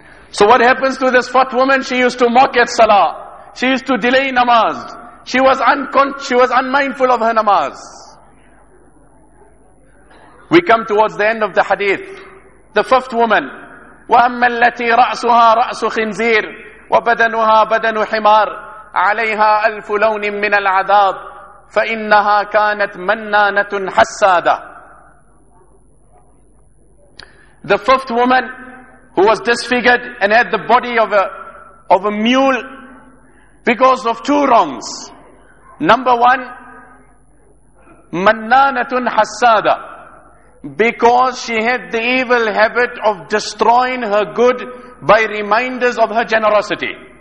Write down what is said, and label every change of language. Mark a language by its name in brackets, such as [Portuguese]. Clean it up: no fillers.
[English] So what happens to this fat woman? She used to mock at salah. She used to delay namaz. She was unmindful of her namaz. We come towards the end of the hadith. The fifth woman, [Arabic] وَأَمَّا الَّتِي رَأْسُهَا رَأْسُ خِنْزِيرٍ وَبَدَنُهَا بَدَنُ حِمَارٍ عَلَيْهَا أَلْفُ لَوْنٍ مِّنَ الْعَذَابِ فَإِنَّهَا كَانَتْ مَنَّانَةٌ حَسَّادَةٌ. [English] The fifth woman, who was disfigured and had the body of a mule, because of two wrongs. Number one, [Arabic] mannanatun hassada, [English] because she had the evil habit of destroying her good by reminders of her generosity.